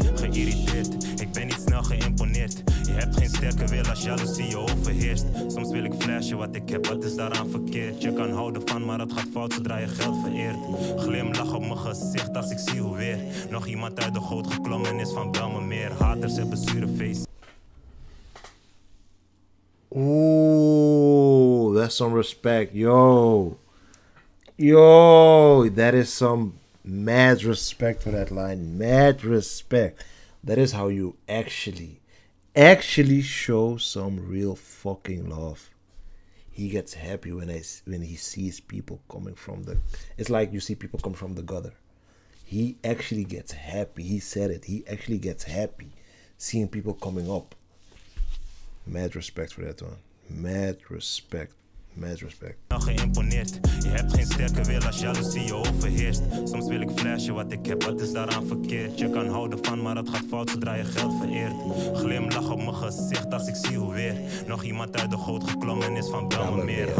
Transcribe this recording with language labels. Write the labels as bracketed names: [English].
[Dutch] Geïrriteerd, ik ben niet snel geïmponeerd. Je hebt geen sterke wil als jaloezie je overheerst. Soms wil ik flashen wat ik heb, wat is daaraan verkeerd? Je kan houden van, maar dat gaat fout zodra je geld vereert. Glimlach op mijn gezicht als ik zie hoe weer nog iemand uit de goot geklommen is van Belmermeer. Haters hebben zure feest. [English] Ooh, that's some respect, yo. Yo, that is some mad respect for that line. Mad respect. That is how you actually show some real fucking love. he gets happy when he sees people coming from the, it's like you see people come from the gutter. He actually gets happy. He said it. He actually gets happy seeing people coming up. Mad respect for that one. Mad respect. Mad respect. [Dutch] Nou geïmponeerd. Je hebt geen sterke wil als jaloezie je overheerst. Soms wil ik flashen wat ik heb, wat is daaraan verkeerd? Je kan houden van, maar het gaat fout zodra je geld vereert. Glimlach op mijn gezicht als ik zie hoe weer nog iemand uit de goot geklommen is van Belmermeer.